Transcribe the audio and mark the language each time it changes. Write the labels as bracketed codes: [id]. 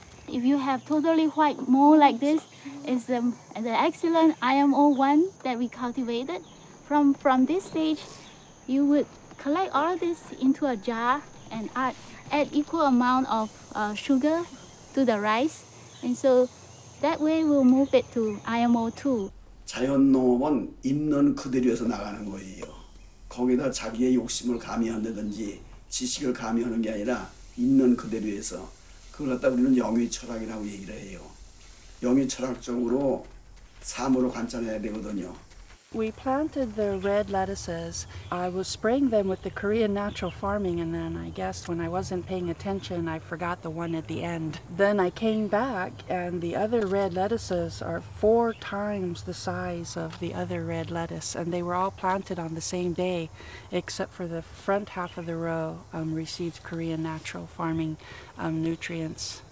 [en] If you have totally white mold like this, it's the excellent IMO1 that we cultivated. From this stage, you would collect all this into a jar and add equal amount of sugar to the rice. And so that way we'll move it to IMO2. [ko] 자연 농업은 있는 그대로에서 나가는 거예요. 거기다 자기의 욕심을 가미한다든지 지식을 가미하는 게 아니라 있는 그대로에서 그걸 갖다 우리는 영위 철학이라고 얘기를 해요. 영위 철학적으로 삶으로 관찰해야 되거든요. [en] We planted the red lettuces. I was spraying them with the Korean natural farming, and then I guess when I wasn't paying attention, I forgot the one at the end. Then I came back, and the other red lettuces are 4 times the size of the other red lettuce, and they were all planted on the same day, except for the front half of the row received Korean natural farming nutrients.